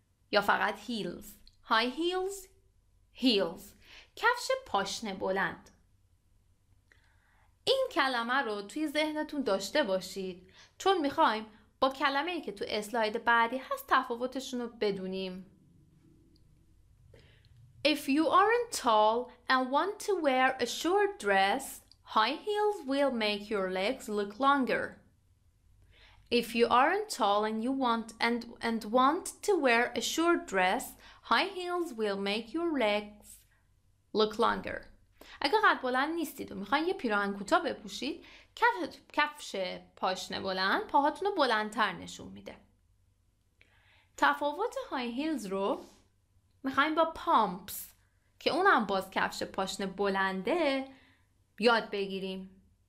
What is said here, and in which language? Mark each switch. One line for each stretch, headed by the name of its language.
English: یا فقط heels. High heels, heels.
Persian: کفش پاشنه بلند. این کلمه رو توی ذهنتون داشته باشید چون میخوایم با کلمه ای که تو اسلاید بعدی هست تفاوتشون رو بدونیم.
English: If you aren't tall and want to wear a short dress, high heels will make your legs look longer. If you aren't tall and you want and want to wear a short dress, high heels will make your legs look longer.
Persian: اگه قد بلند نیستید و میخواین یه پیراهن کوتاه بپوشید، کفش پاشنه بلند پاهاتون رو بلندتر نشون میده. تفاوت های هیلز رو میخواین با پامپس که اونم باز کفش پاشنه بلنده یاد بگیریم.